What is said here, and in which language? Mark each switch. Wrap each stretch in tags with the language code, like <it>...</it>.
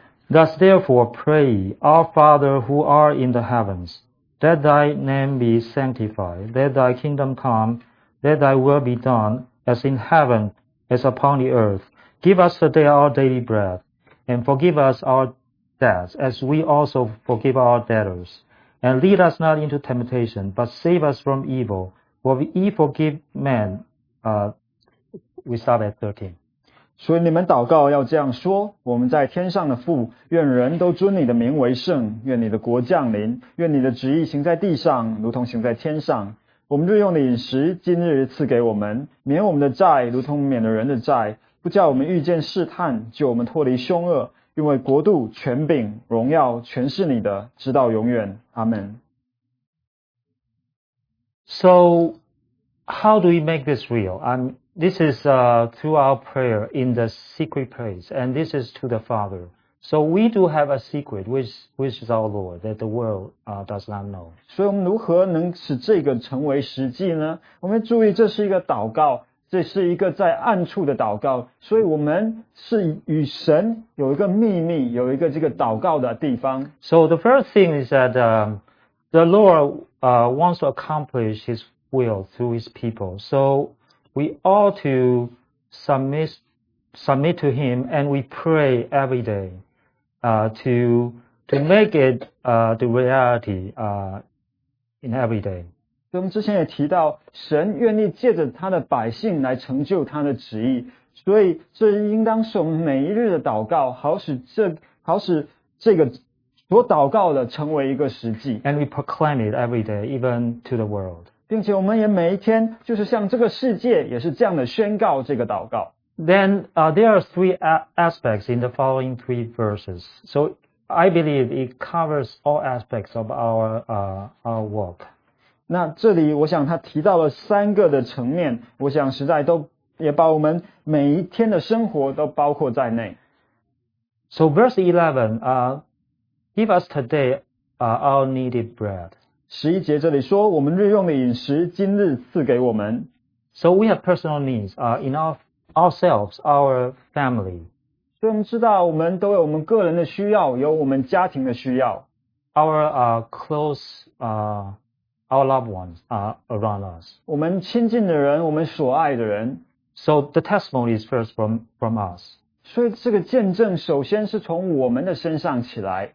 <en>Thus therefore pray, Our Father who art in the heavens, that thy name be sanctified, that thy kingdom come, that thy will be done, as in heaven, as upon the earth. Give us today our daily bread, and forgive us our debts, as we also forgive our debtors. And lead us not into temptation, but save us from evil. For we forgive men, we start at 13.</en> <zh>所以你们祷告要这样说，我们在天上的父，愿人都尊你的名为圣，愿你的国降临，愿你的旨意行在地上，如同行在天上。我们日用的饮食，今日赐给我们，免我们的债，如同免了人的债，不叫我们遇见试探，救我们脱离凶恶，因为国度、权柄、荣耀，全是你的，直到永远。阿们。</zh> <en>So, how do we make this real? This is through our prayer in the secret place, and this is to the Father. So we do have a secret, which is our Lord, that the world does not know.</en> <zh>所以我们如何能使这个成为实际呢？我们注意，这是一个祷告，这是一个在暗处的祷告。所以我们是与神有一个秘密，有一个这个祷告的地方。</zh> <en>So the first thing is that the Lord wants to accomplish His will through His people. So we ought to submit to Him, and we pray every day to make it the reality in every day.</en> <zh>我们之前也提到，神愿意借着他的百姓来成就他的旨意，所以这应当是我们每一日的祷告，好使这个所祷告的成为一个实际。</zh> <en>And we proclaim it every day, even to the world.</en> <zh>并且我们也每一天就是向这个世界也是这样的宣告这个祷告。</zh> <en>Then there are three aspects in the following three verses. So I believe it covers all aspects of our work.</en> <zh>那这里我想他提到了三个的层面，我想实在都也把我们每一天的生活都包括在内。</zh> <en>So verse 11, Give us today our needed bread.</en> <zh>十一节这里说，我们日用的饮食今日赐给我们。</zh> <en>So we have personal needs in ourselves, our family.</en> <zh>所以我们知道，我们都有我们个人的需要，有我们家庭的需要。</zh> <en>Our close our loved ones around us.</en> <zh>我们亲近的人，我们所爱的人。</zh> <en>So the testimony is first from us.</en> <zh>所以这个见证首先是从我们的身上起来。</zh>